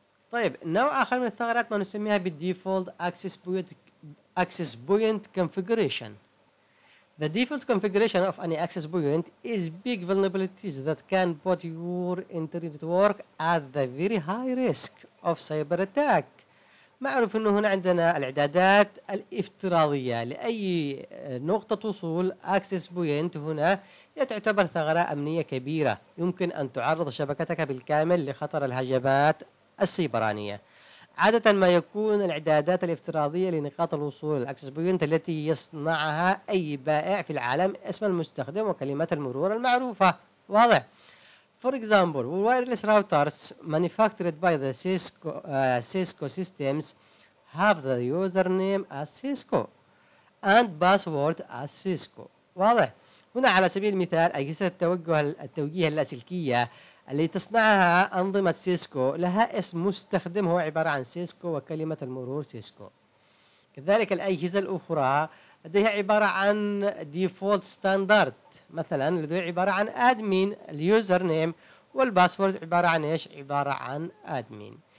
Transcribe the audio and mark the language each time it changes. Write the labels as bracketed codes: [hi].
[ar] طيب نوع آخر من الثغرات ما نسميها بالديفولت أكسس بوينت كونفيجريشن. [en] The default configuration of any access point is big vulnerabilities that can put your internet network at the very high risk of cyber attack. [ar] معروف أنه هنا عندنا الإعدادات الافتراضية لأي نقطة وصول access point، هنا تعتبر ثغرة أمنية كبيرة يمكن أن تعرض شبكتك بالكامل لخطر الهجمات السيبرانية. عادة ما يكون الإعدادات الافتراضية لنقاط الوصول الأكسس بوينت التي يصنعها أي بائع في العالم اسم المستخدم وكلمات المرور المعروفة. واضح؟ [en] For example, wireless routers manufactured by the Cisco systems have the username as Cisco and password as Cisco. [ar] واضح؟ هنا على سبيل المثال أجهزة التوجيه اللاسلكية اللي تصنعها أنظمة سيسكو لها اسم مستخدم هو عبارة عن سيسكو وكلمة المرور سيسكو. كذلك الأجهزة الأخرى لديها عبارة عن ديفولت ستاندرد مثلا لديها عبارة عن أدمين اليوزر نيم والباسورد عبارة عن إيش؟ عبارة عن أدمين.